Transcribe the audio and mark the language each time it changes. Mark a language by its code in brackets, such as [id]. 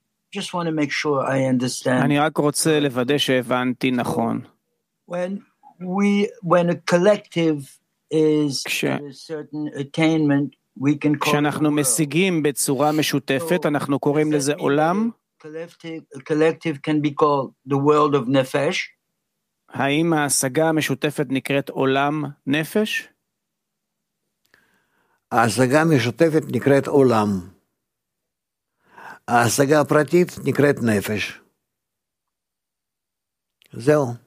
[en] Just want to make sure I understand. [he] אני רק רוצה לוודא שהבנתי נכון. [en] When a collective is a certain attainment, we can call [he] כשאנחנו משיגים בצורה משותפת, אנחנו קוראים לזה עולם. [en] A collective can be called the world of nefesh. [he] האם ההשגה המשותפת נקראת עולם נפש? ההשגה המשותפת נקראת עולם. ההשגה הפרטית נקראת נפש. זהו.